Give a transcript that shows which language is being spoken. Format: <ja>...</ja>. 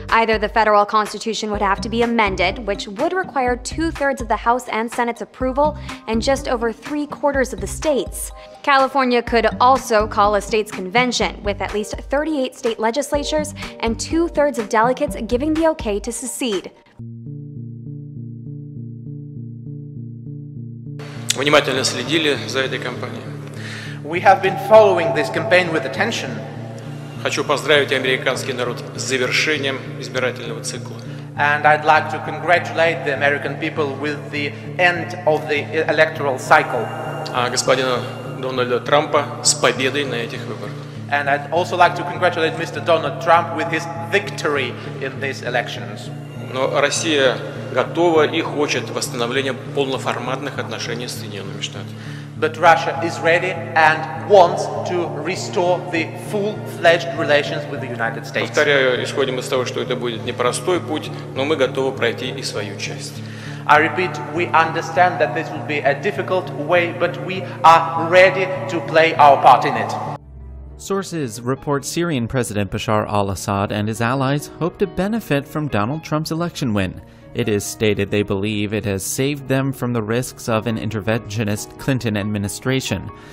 <en>Either the federal constitution would have to be amended, which would require two-thirds of the House and Senate's approval, and just over three-quarters of the states. California could also call a state's convention, with at least 38 state legislatures and two-thirds of delegates giving the okay to secede.</en> <ru>Внимательно следили за этой кампанией.</ru> <en>We have been following this campaign with attention.</en> <ru>Хочу поздравить американский народ с завершением избирательного цикла.</ru> <en>And I'd like to congratulate the American people with the end of the electoral cycle.</en> <ru>А господина Дональда Трампа с победой на этих выборах.</ru> <en>And I'd also like to congratulate Mr. Donald Trump with his victory in these elections.</en> <ru>Но Россия готова и хочет восстановления полноформатных отношений с Соединенными Штатами.</ru> <en>But Russia is ready and wants to restore the full-fledged relations with the United States.</en> <ru>Повторяю, исходим из того, что это будет непростой путь, но мы готовы пройти и свою часть.</ru> <en>I repeat, we understand that this will be a difficult way, but we are ready to play our part in it. Sources report Syrian President Bashar al-Assad and his allies hope to benefit from Donald Trump's election win. It is stated they believe it has saved them from the risks of an interventionist Clinton administration.</en>